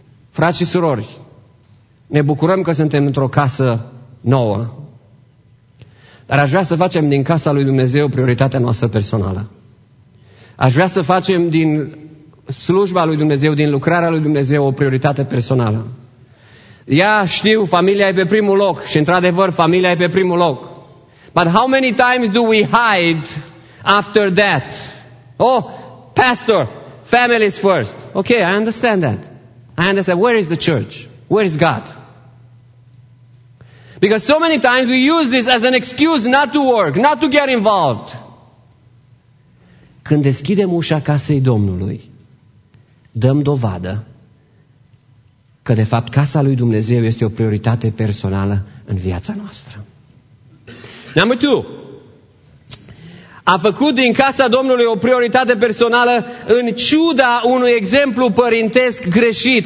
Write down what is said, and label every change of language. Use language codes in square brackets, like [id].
[ro] Frați și surori, ne bucurăm că suntem într-o casă nouă, dar aș vrea să facem din casa lui Dumnezeu prioritatea noastră personală. Aș vrea să facem din slujba lui Dumnezeu, din lucrarea lui Dumnezeu o prioritate personală. Ia, știu, familia e pe primul loc și într-adevăr familia e pe primul loc. [en] But how many times do we hide after that? Oh, pastor, family is first. Okay, I understand that. I understand, where is the church? Where is God? Because so many times we use this as an excuse not to work, not to get involved. [ro] Când deschidem ușa casei Domnului, dăm dovadă că de fapt casa lui Dumnezeu este o prioritate personală în viața noastră. [en] Number two, [ro] a făcut din casa Domnului o prioritate personală în ciuda unui exemplu părintesc greșit.